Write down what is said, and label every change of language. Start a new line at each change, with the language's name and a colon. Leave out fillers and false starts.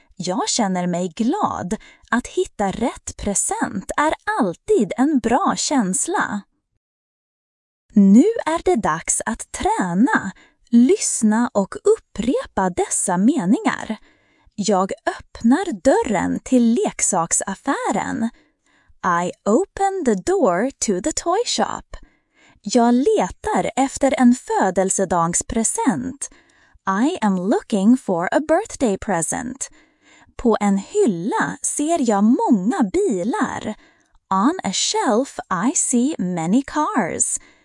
Swedish: Jag känner mig glad. Att hitta rätt present är alltid en bra känsla. Nu är det dags att träna, lyssna och upprepa dessa meningar. Jag öppnar dörren till leksaksaffären.
English: I open the door to the toy shop.
Swedish: Jag letar efter en födelsedagspresent.
English: I am looking for a birthday present.
Swedish: På en hylla ser jag många bilar.
English: On a shelf I see many cars.